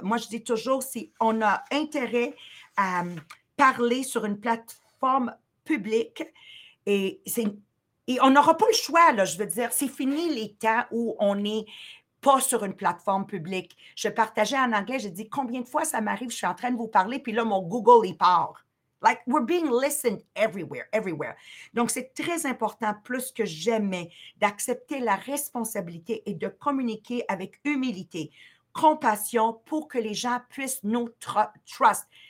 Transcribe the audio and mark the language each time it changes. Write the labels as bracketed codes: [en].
[fr] Moi, je dis toujours, si on a intérêt à parler sur une plateforme publique, et on n'aura pas le choix, là, je veux dire. C'est fini les temps où on est pas sur une plateforme publique. Je partageais en anglais, j'ai dit, combien de fois ça m'arrive, je suis en train de vous parler, puis là, mon Google, il part. [en] Like, we're being listened everywhere. [fr] Donc, c'est très important, plus que jamais, d'accepter la responsabilité et de communiquer avec humilité, compassion, pour que les gens puissent nous trust.